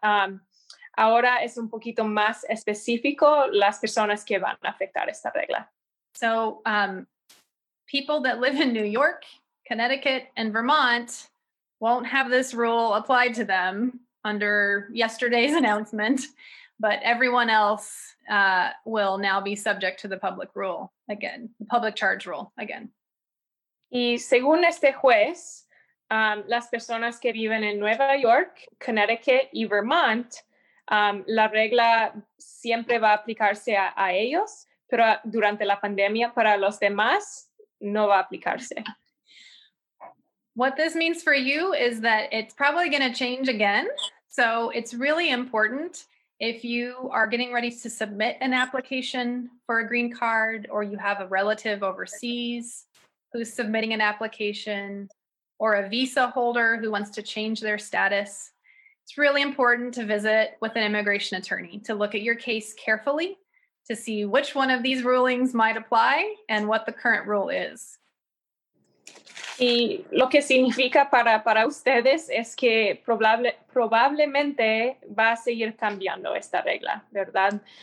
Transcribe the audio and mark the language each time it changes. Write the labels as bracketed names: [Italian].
[Spanish] Ahora es un poquito más específico las personas que van a afectar esta regla. [English] So, people that live in New York, Connecticut, and Vermont won't have this rule applied to them under yesterday's announcement, but everyone else will now be subject to the public rule again, the public charge rule again. [Spanish] Y según este juez, las personas que viven en Nueva York, Connecticut, y Vermont, la regla siempre va a aplicarse a ellos, pero durante la pandemia para los demás no va a aplicarse. [English] What this means for you is that it's probably going to change again. So it's really important If you are getting ready to submit an application for a green card, or you have a relative overseas who's submitting an application, or a visa holder who wants to change their status, it's really important to visit with an immigration attorney to look at your case carefully to see which one of these rulings might apply and what the current rule is. [Spanish] Y lo que significa para ustedes es que probablemente va a seguir cambiando esta regla, ¿verdad?